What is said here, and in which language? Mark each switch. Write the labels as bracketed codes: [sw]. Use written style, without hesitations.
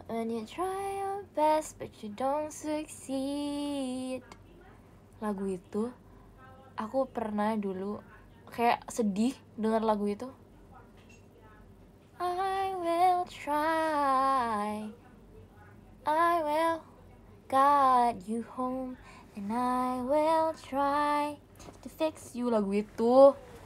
[en] When you try your best but you don't succeed. [id] Lagu itu aku pernah dulu kayak sedih dengar lagu itu. [en] I will try, I will got you home, and I will try to fix you. [id] Lagu itu.